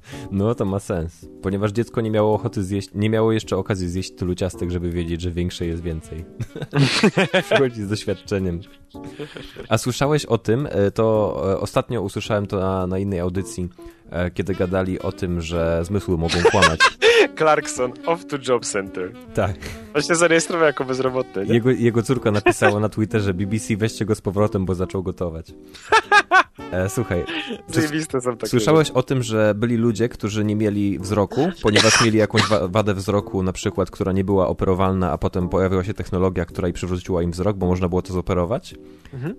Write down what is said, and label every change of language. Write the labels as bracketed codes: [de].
[pl] No to ma sens, ponieważ dziecko nie miało ochoty zjeść, nie miało jeszcze okazji zjeść tylu ciastek, żeby wiedzieć, że większe jest więcej. Wchodzi z doświadczeniem. A słyszałeś o tym, to ostatnio usłyszałem to na innej audycji, kiedy gadali o tym, że zmysły mogą kłamać. [en] Clarkson, off to job center. [pl] Tak. On się zarejestrował jako bezrobotny. Jego córka napisała na Twitterze: BBC, weźcie go z powrotem, bo zaczął gotować. Słuchaj, słyszałeś o tym, że byli ludzie, którzy nie mieli wzroku, ponieważ mieli jakąś wadę wzroku, na przykład, która nie była operowalna, a potem pojawiła się technologia, która i przywróciła im wzrok, bo można było to zoperować. Mhm.